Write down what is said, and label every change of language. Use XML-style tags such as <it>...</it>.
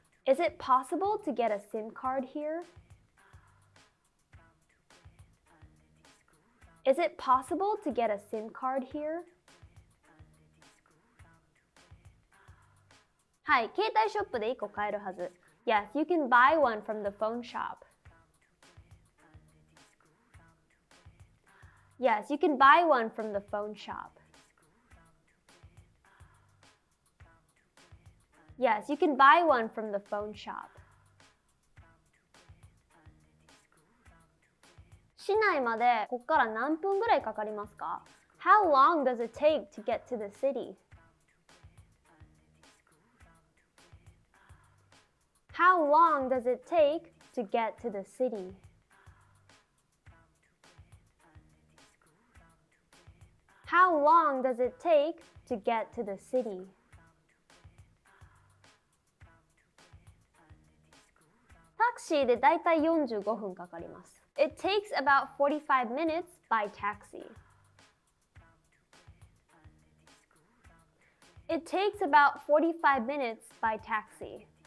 <en>Is it possible to get a SIM card here? Is it possible to get a SIM card here?</en> <ja>はい、携帯ショップで1個買えるはず。</ja> <en>Yes, you can buy one from the phone shop. Yes, you can buy one from the phone shop. Yes, you can buy one from the phone shop.</en> <ja>市内までここから何分ぐらいかかりますか?</ja> <en>How long does it take to get to the city? How long does it take to get to the city? How long does it take to get to the city?</en> <ja>タクシーでだいたい45分かかります。</ja> <en>It takes about 45 minutes by taxi. It takes about 45 minutes by taxi.</en>